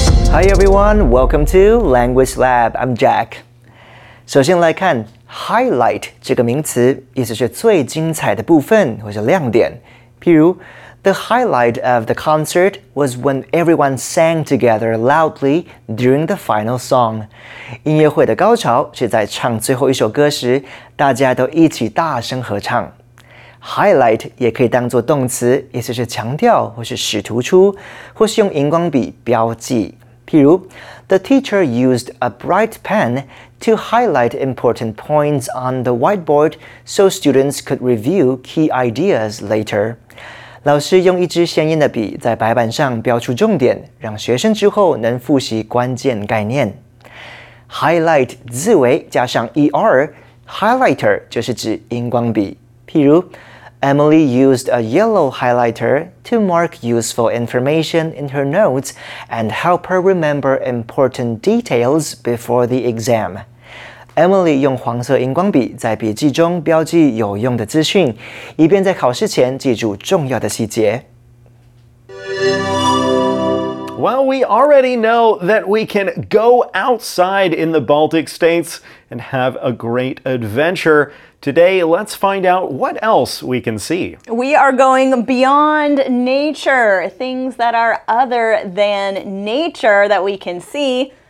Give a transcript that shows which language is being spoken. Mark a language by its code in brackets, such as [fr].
[en] Hi everyone, welcome to Language Lab, I'm Jack. [zh] 首先来看 highlight 这个名词，意思是最精彩的部分或是亮点。譬如 [en] the highlight of the concert was when everyone sang together loudly during the final song. [zh] 音乐会的高潮是在唱最后一首歌时，大家都一起大声合唱。 Highlight 也可以当作动词，意思是强调或是使突出，或是用荧光笔标记。譬如 [en] the teacher used a bright pen to highlight important points on the whiteboard so students could review key ideas later. [zh] 老师用一支鲜艳的笔在白板上标出重点，让学生之后能复习关键概念。 Highlight 字尾加上 er, highlighter 就是指荧光笔。譬如 [en] Emily used a yellow highlighter to mark useful information in her notes and help her remember important details before the exam. [zh] Emily 用黄色荧光笔在笔记中标记有用的资讯，以便在考试前记住重要的细节。 [en] Well, we already know that we can go outside in the Baltic states and have a great adventure. Today, let's find out what else we can see. We are going beyond nature, things that are other than nature that we can see.